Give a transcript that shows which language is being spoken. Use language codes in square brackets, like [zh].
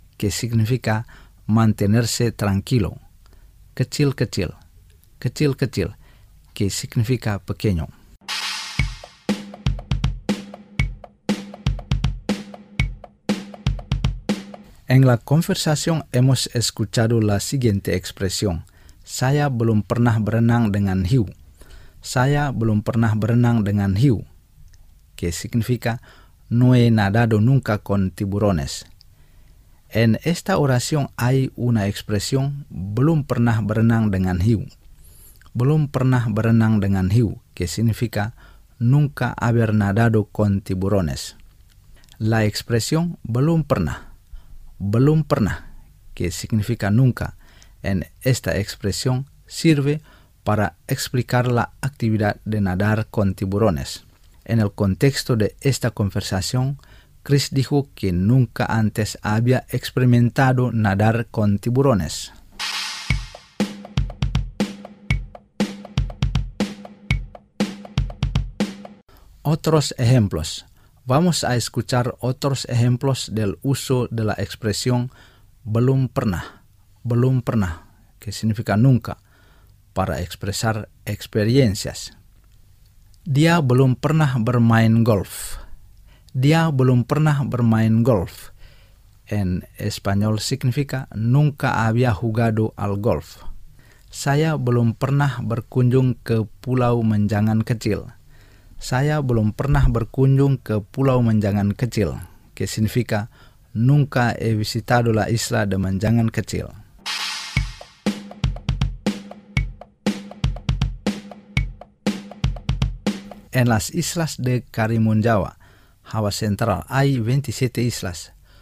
[es] Que significa mantenerse tranquilo. [id] Kecil-kecil. Kecil-kecil. [es] Que significa pequeño. En la conversación hemos escuchado la siguiente expresión. [id] Saya belum pernah berenang dengan hiu. Saya belum pernah berenang dengan hiu. [es] Que significa No he nadado nunca con tiburones. En esta oración hay una expresión [id] Belum pernah berenang dengan hiu. Belum pernah berenang dengan hiu. [es] Que significa Nunca haber nadado con tiburones. La expresión [id] Belum pernah. Belum pernah. [es] Que significa nunca. En esta expresión sirve para explicar la actividad de nadar con tiburones. En el contexto de esta conversación, Chris dijo que nunca antes había experimentado nadar con tiburones. Otros ejemplos. Vamos a escuchar otros ejemplos del uso de la expresión [id] belum pernah. Belum pernah, [es] que significa nunca, para expresar experiencias. [id] Dia belum pernah bermain golf. Dia belum pernah bermain golf. [es] En español significa nunca había jugado al golf. [id] Saya belum pernah berkunjung ke Pulau Menjangan Kecil. Saya belum pernah berkunjung ke Pulau Menjangan Kecil. [es] Que significa nunca he visitado la isla de Menjangan Kecil. En las islas de Karimun Jawa, Java Central, hay 27 islas.